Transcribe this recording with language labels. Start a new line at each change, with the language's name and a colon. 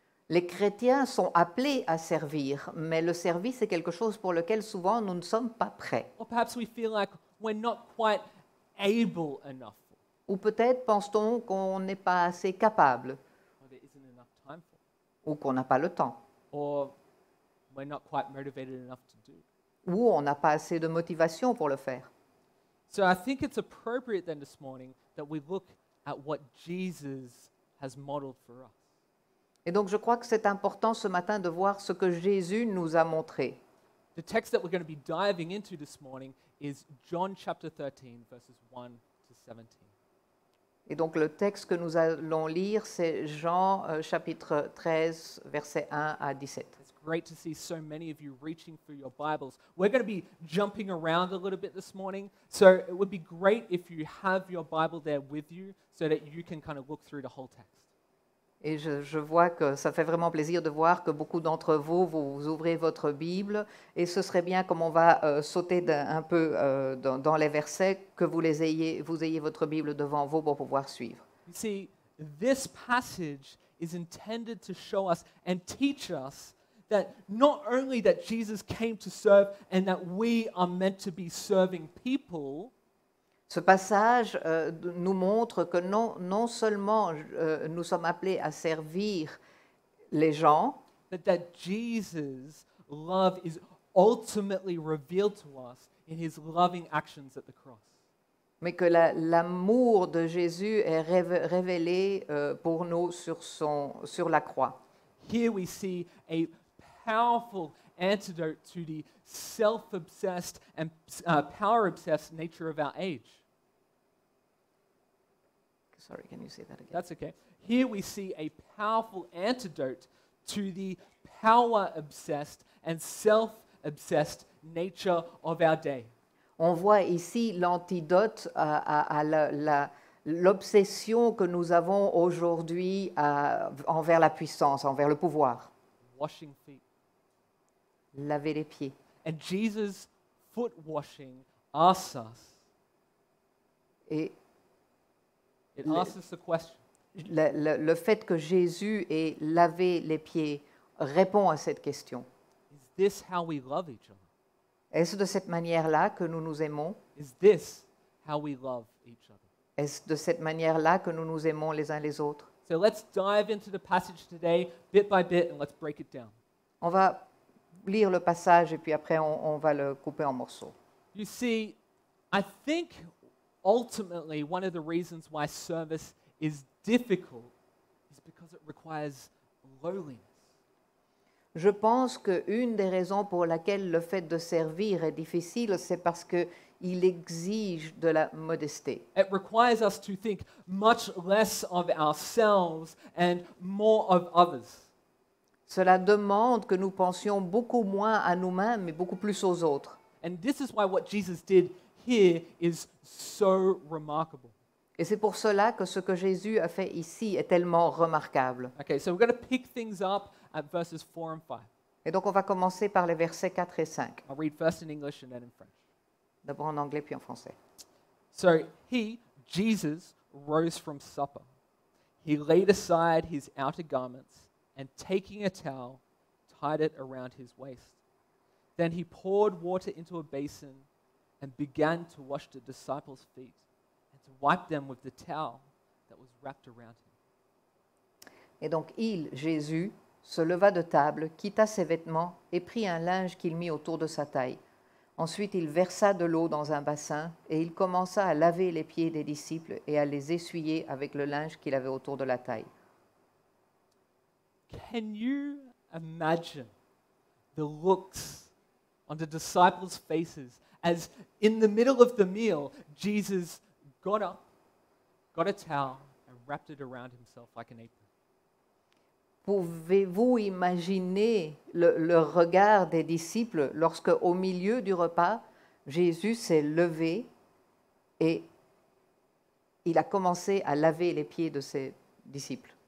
French: Les chrétiens sont appelés à servir, mais le service est quelque chose pour lequel souvent nous ne sommes pas prêts.
English: Or perhaps we feel like we're not quite able enough.
French: Ou peut-être pense-t-on qu'on n'est pas assez capable.
English: Or there isn't enough time for.
French: Ou qu'on n'a pas le temps.
English: Or we're not quite motivated enough to do.
French: Ou on n'a pas assez de motivation pour le faire.
English: So I think it's appropriate then this morning that we look at what Jesus has modeled for us.
French: Et donc, je crois que c'est important ce matin de voir ce que Jésus nous a montré.
English: The text that we're going to be diving into this morning is John chapter 13, verses 1 to 17.
French: Et donc, le texte que nous allons lire, c'est Jean chapitre 13, versets 1 à 17.
English: It's great to see so many of you reaching for your Bibles. We're going to be jumping around a little bit this morning, so it would be great if you have your Bible there with you, so that you can kind of look through the whole text.
French: Et je vois que ça fait vraiment plaisir de voir que beaucoup d'entre vous ouvrez votre Bible. Et ce serait bien, comme on va sauter un peu dans les versets, que vous ayez votre Bible devant vous pour pouvoir suivre.
English: You see, this passage is intended to show us and teach us that not only that Jesus came to serve and that we are meant to be serving people.
French: Ce passage nous montre que non seulement nous sommes appelés à servir les gens,
English: but that Jesus' love is ultimately revealed to us in his loving actions at the cross.
French: Mais que l'amour de Jésus est révélé pour nous sur la croix.
English: Here we see a powerful antidote to the self-obsessed and power-obsessed nature of our age. Sorry, can you say that again? That's okay. Here we see a powerful antidote to the power-obsessed and self-obsessed nature of our day.
French: On voit ici l'antidote à l'obsession que nous avons aujourd'hui envers la puissance, envers le pouvoir.
English: Washing feet.
French: Laver les pieds.
English: And Jesus' foot washing asks us.
French: Et
English: it asks us a question.
French: Le fait que Jésus ait lavé les pieds répond à cette question.
English: Is this how we love each other?
French: Est-ce de cette manière-là que nous nous aimons?
English: Is this how we love each other?
French: Est-ce de cette manière-là que nous nous aimons les uns les autres?
English: So let's dive into the passage today, bit by bit, and let's break it down.
French: On va lire le passage et puis après on va le couper en morceaux.
English: You see, I think ultimately one of the reasons why service is difficult is because it requires lowliness.
French: Je pense qu'une des raisons pour laquelle le fait de servir est difficile, c'est parce qu'il exige de la modestie.
English: It requires us to think much less of ourselves and more of others.
French: Cela demande que nous pensions beaucoup moins à nous-mêmes et beaucoup plus aux autres.
English: And this is why what Jesus did here is so remarkable.
French: Et c'est pour cela que ce que Jésus a fait ici est tellement remarquable.
English: Okay, so we're going to pick things up at verses 4 and 5.
French: Et donc on va commencer par les versets 4 et 5.
English: I'll read first in English and then in French.
French: D'abord en anglais puis en français.
English: So he, Jesus, rose from supper. He laid aside his outer garments and taking a towel, tied it around his waist. Then he poured water into a basin and began to wash the disciples' feet. Wipe them with the towel that was wrapped around him.
French: Et donc il, Jésus, se leva de table, quitta ses vêtements et prit un linge qu'il mit autour de sa taille. Ensuite, il versa de l'eau dans un bassin et il commença à laver les pieds des disciples et à les essuyer avec le linge qu'il avait autour de la taille.
English: Can you imagine the looks on the disciples' faces as in the middle of the meal, Jesus got up, got a towel, and wrapped it around himself like an apron.
French: Pouvez-vous imaginer le regard des disciples lorsque, au milieu du repas, Jésus s'est levé et il a commencé à laver les pieds de ses disciples?